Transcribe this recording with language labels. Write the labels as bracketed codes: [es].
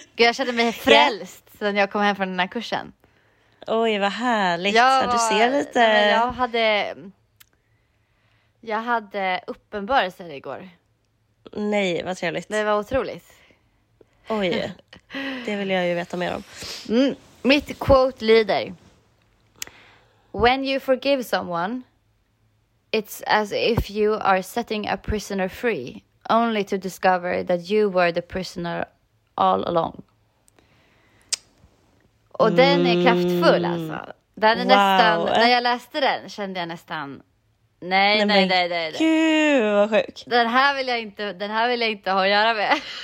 [sv] Gud, jag känner mig frälst. Sen jag kom hem från den här kursen. Oj, vad härligt. Du ser lite... Jag hade uppenbarelser igår. Nej, vad trevligt. Det var otroligt. Oj, det vill jag ju veta mer om. Mitt quote lyder: [en] "When you forgive someone, it's as if you are setting a prisoner free, only to discover that you were the prisoner all along." [sv] Och den är kraftfull alltså. Den är nästan, när jag läste den kände jag nästan nej. Gud, vad sjuk. Den här vill jag inte ha att göra med.